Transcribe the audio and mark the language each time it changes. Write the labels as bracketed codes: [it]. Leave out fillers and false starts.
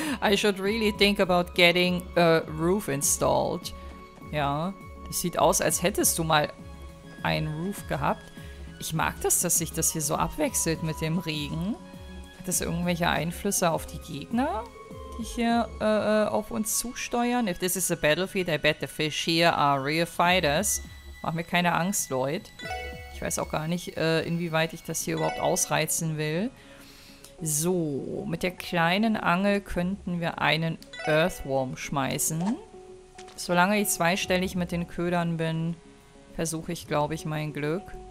[en] I should really think about getting a roof installed. [de] Ja, das sieht aus, als hättest du mal einen Roof gehabt. Ich mag das, dass sich das hier so abwechselt mit dem Regen. Hat das irgendwelche Einflüsse auf die Gegner, die hier auf uns zusteuern? [en] If this is a battlefield, I bet the fish here are real fighters. [de] Mach mir keine Angst, Leute. Ich weiß auch gar nicht, inwieweit ich das hier überhaupt ausreizen will. So, mit der kleinen Angel könnten wir einen Earthworm schmeißen. Solange ich zweistellig mit den Ködern bin, versuche ich, glaube ich, mein Glück.